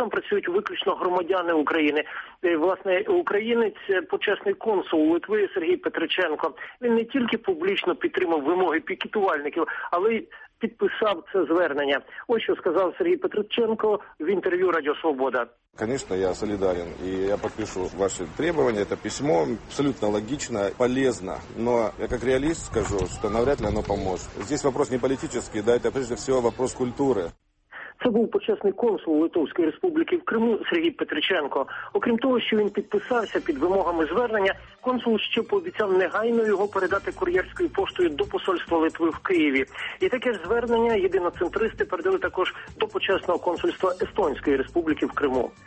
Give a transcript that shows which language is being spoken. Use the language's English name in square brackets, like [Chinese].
[Ukrainian] Там працюють виключно громадяни України. Власне, українець – почесний консул Литви Сергій Петриченко. Він не тільки публічно підтримав вимоги пікетувальників, але й підписав це звернення. Ось що сказав Сергій Петриченко в інтерв'ю «Радіо Свобода». [Russian] Конечно, я солидарен, и я подпишу ваши требования. Это письмо абсолютно логично, полезно, но я как реалист скажу, что навряд ли оно поможет. Здесь вопрос не политический, да, это прежде всего вопрос культуры. [Ukrainian] Це був почесний консул Литовської Республіки в Криму Сергій Петриченко. Окрім того, що він підписався під вимогами звернення, консул ще пообіцяв негайно його передати кур'єрською поштою до посольства Литви в Києві. І таке ж звернення єдиноцентристи передали також до почесного консульства Естонської Республіки в Криму.